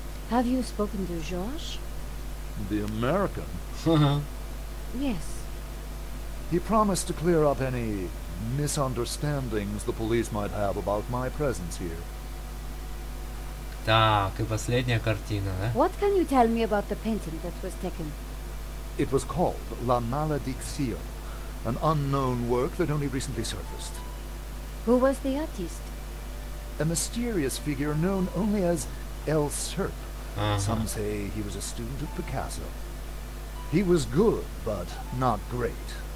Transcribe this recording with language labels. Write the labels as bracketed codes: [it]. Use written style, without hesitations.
[en] Have you spoken to Georges? The American? Yes. He promised to clear up any misunderstandings the police might have about my presence here. [ru] Так, и последняя картина, да? [en] What can you tell me about the painting that was taken? It was called La Malédiction, an unknown work that only recently surfaced. Who was the artist? A mysterious figure known only as El Serp. Uh-huh. Some say he was a student of Picasso. He was good, but not great.